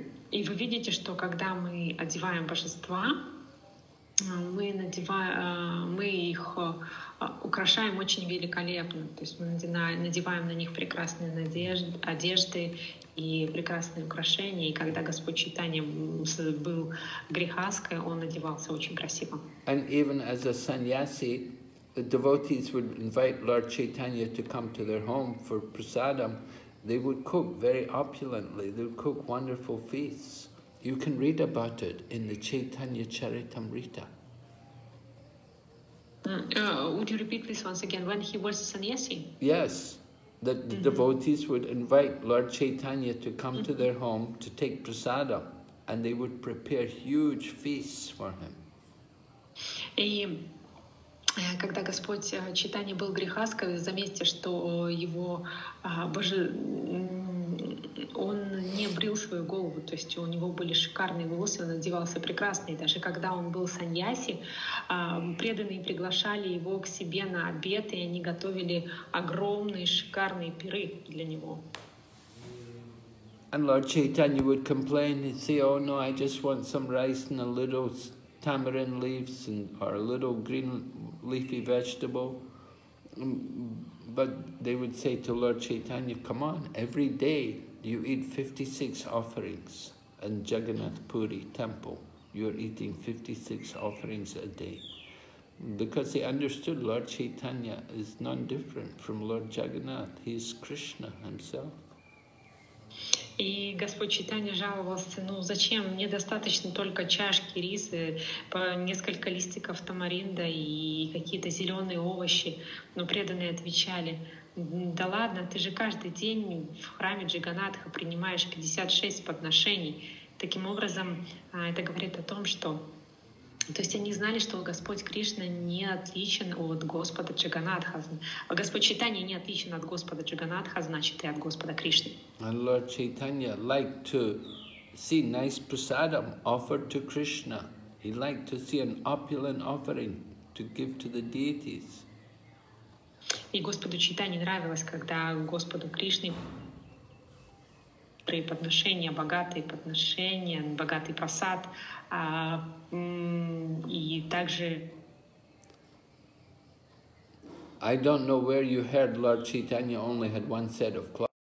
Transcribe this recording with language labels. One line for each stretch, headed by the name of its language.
Russian: И вы видите, что когда мы одеваем божества, мы их украшаем очень великолепно. То есть мы надеваем на них прекрасные одежды и прекрасные украшения. И когда Господь Чайтанья был грихаской, он одевался очень красиво.
English: And even as a sannyasi, the devotees would invite Lord Chaitanya to come to their home for prasadam. They would cook very opulently. They would cook wonderful feasts. You can read about it in the Chaitanya Charitamrita. Would you repeat this once again? When he was a sannyasi? Yes. The mm-hmm. devotees would invite Lord Chaitanya to come mm-hmm. to their home to take prasadam, and they would prepare huge feasts for him.
Russian: Когда Господь Чайтанья был грихаской, заметьте, что его он не брил свою голову, то есть у него были шикарные волосы, он одевался прекрасно, и даже когда он был саньяси, преданные приглашали его к себе на обед, и они готовили огромные шикарные пиры для него.
English: And Lord Chaitanya would complain and say, oh no, I just want some rice and a little tamarind leaves and or a little green leafy vegetable, but they would say to Lord Chaitanya, come on, every day you eat 56 offerings in Jagannath Puri temple, you're eating 56 offerings a day. Because they understood Lord Chaitanya is none different from Lord Jagannath. He is Krishna himself.
Russian: И Господь Чайтанья жаловался, ну зачем, мне достаточно только чашки риса, по несколько листиков тамаринда и какие-то зеленые овощи. Но преданные отвечали, да ладно, ты же каждый день в храме Джаганатха принимаешь 56 подношений. Таким образом, это говорит о том, что... То есть они знали, что Господь Кришна не отличен от Господа Джаганатха. А Господь Чайтанья не отличен от Господа Джаганатха, значит, и от Господа Кришны.
English: And Lord Chaitanya liked to see nice prasadam offered to Krishna. He liked to see an opulent offering to give to the deities.
Russian: И Господу Чайтанье нравилось, когда Господу Кришне при подношении богатые подношения, богатый прасад, и также...
English: I don't know where you heard Lord Chaitanya only had one set of clothes.